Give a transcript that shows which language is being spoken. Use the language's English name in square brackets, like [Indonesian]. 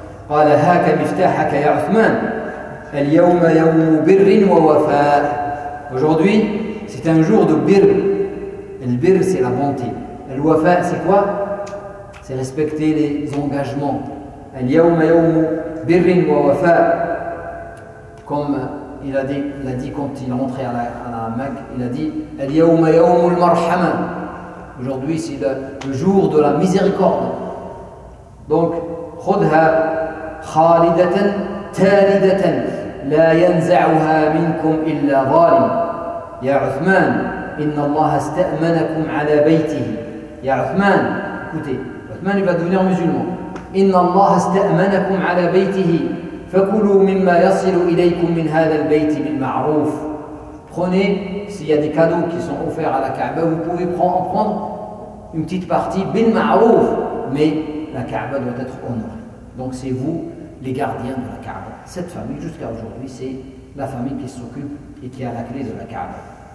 [Arabic] قال هاك مفتاحك يا عثمان اليوم يوم بر ووفاء. [French] Aujourd'hui, c'est un jour de bir. Le bir, c'est la bonté. Le wafa, c'est quoi? C'est respecter les engagements. [Arabic] Al yawm yawm bir wa wafa. [French] Comme il a dit quand il est rentré à la Mecque, il a dit [Arabic] al yawm yawm al marhama. [French] Aujourd'hui, c'est le jour de la miséricorde. [Arabic] Donc, khudha khalidatan taridatan la yanza'uha minkum illa zalim. يا عثمان إن الله استأمنكم على بيته. [French] يا عثمان écoutez, عثمان va devenir musulman. [Arabic] إن الله استأمنكم على بيته فكلوا مما يصل إليكم من هذا البيت بالمعروف. [French] Prenez, s'il y a des cadeaux qui sont offerts à la Kaaba, vous pouvez prendre une petite partie بالمعروف, mais la Kaaba doit être honorée. Donc c'est vous les gardiens de la Kaaba. Cette famille jusqu'à aujourd'hui, c'est la famille qui s'occupe et qui a la clé de la Kaaba.